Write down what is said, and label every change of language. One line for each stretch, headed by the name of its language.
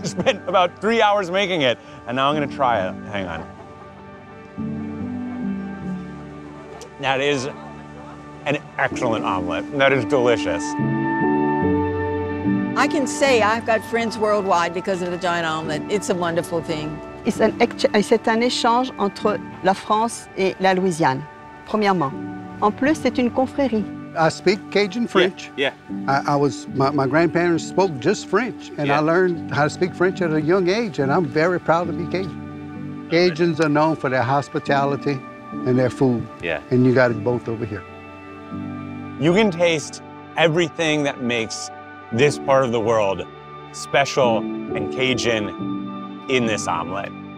English: I spent about 3 hours making it, and now I'm gonna try it. Hang on. That is an excellent omelet. That is delicious. I can say I've got friends worldwide because of the giant omelet. It's a wonderful thing.
French: C'est un échange entre la France et la Louisiane, premièrement. En plus, c'est une confrérie.
English: I speak Cajun French. Yeah. Yeah. My grandparents spoke just French, and yeah. I learned how to speak French at a young age, and I'm very proud to be Cajun. Cajuns are known for their hospitality and their food. Yeah. And you got it both over here. You can taste everything that makes this part of the world special and Cajun in this omelet.